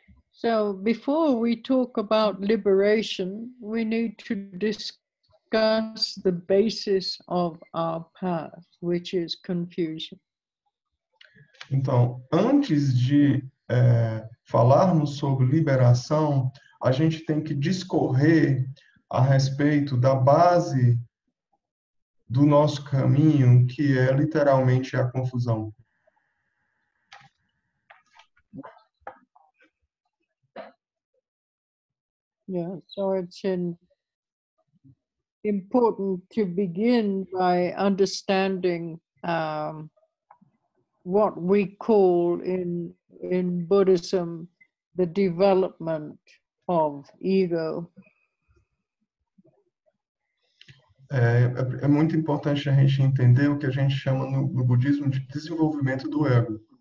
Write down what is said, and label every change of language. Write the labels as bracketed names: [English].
[English] So, before we talk about liberation, we need to discuss the basis of our path, which is confusion. [Portuguese] Então, antes de falarmos sobre liberação, a gente tem que discorrer a respeito da base do nosso caminho, que é literalmente a confusão. [English] Yeah, so it's important to begin by understanding what we call in Buddhism the development of ego. [Portuguese] É muito importante a gente entender o que a gente chama no budismo de desenvolvimento do ego.